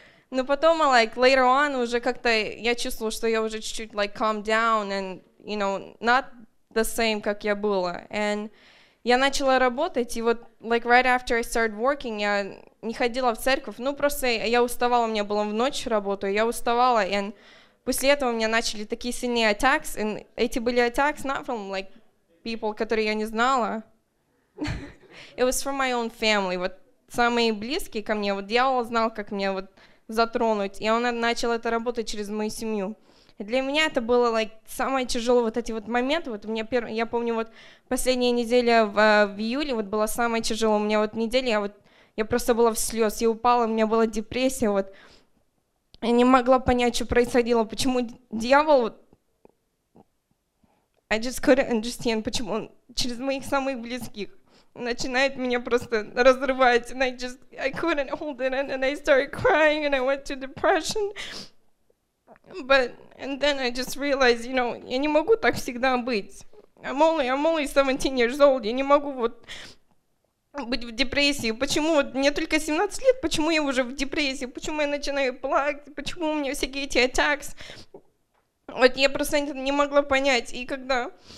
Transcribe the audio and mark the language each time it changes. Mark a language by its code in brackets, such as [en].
[ru] Но потом, like, [en] later on, [ru] уже как-то я чувствовала, что я уже чуть-чуть, like, [en] calm down and, you know, not the same, [ru] как я была. [en] And [ru] я начала работать, и вот, [en] like, right after I started working, я... [ru] не ходила в церковь, ну просто я уставала, у меня было в ночь работу, я уставала, and после этого у меня начали такие сильные attacks, and эти были [en] attacks not from, like, people, [ru] которые я не знала, [en] it was from my own family, [ru] вот самые близкие ко мне, вот дьявол знал, как меня вот затронуть, и он начал это работать через мою семью. Для меня это было, like, самое тяжелое, вот эти вот моменты. Вот у меня я помню, вот последняя неделя в июле вот была самая тяжелая, у меня вот неделя, я просто была в слез, я упала, у меня была депрессия, вот. Я не могла понять, что происходило, почему дьявол... [en] I just couldn't understand, [ru] почему он через моих самых близких начинает меня просто разрывать, [en] and I couldn't hold it, and I started crying, and I went to depression. But, and then I just realized, you know, [ru] я не могу так всегда быть. [en] I'm only 17 years old, [ru] я не могу вот... быть в депрессии, почему, вот мне только 17 лет, почему я уже в депрессии, почему я начинаю плакать, почему у меня всякие эти attacks, вот я просто не могла понять, и когда